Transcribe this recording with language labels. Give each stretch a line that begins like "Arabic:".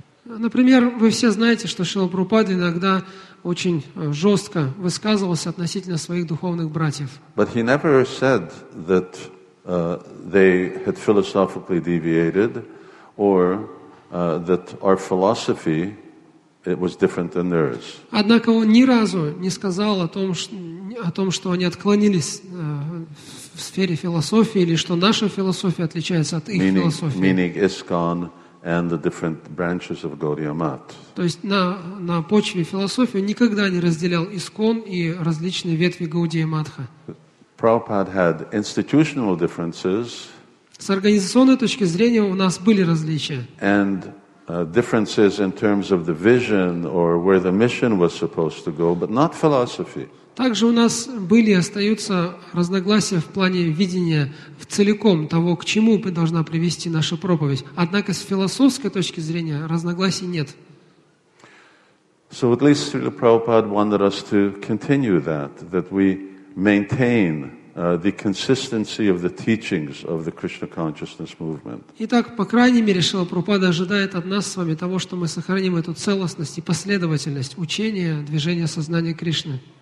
Russian: Например, вы все знаете, что Шрила Прабхупада иногда очень жестко высказывался относительно своих духовных братьев.
English: But he never said that they had philosophically deviated. or that our philosophy it was different than theirs.
Russian: Однако он ни разу не сказал о том, что они отклонились в сфере философии или что наша философия отличается от их философии.
English: Meaning ISKCON and the different branches of Gaudiya Math.
Russian: То есть на почве философии он никогда не разделял ИСКОН и различные ветви Гаудия Матха.
English: Prabhupada had institutional differences.
Russian: С организационной точки зрения у нас были различия.
English: And differences in terms of the vision or where the mission was supposed to go, but not philosophy.
Russian: Также у нас были и остаются разногласия в плане видения в целиком того, к чему должна привести наша проповедь. Однако с философской точки зрения разногласий нет.
English: So at least Srila Prabhupada wanted us to continue that we maintain the consistency of the teachings of the Krishna consciousness movement.
Russian: Итак, по крайней мере, Шрила Прабхупада ожидает от нас с вами того, что мы сохраним эту целостность и последовательность учения движения сознания Кришны.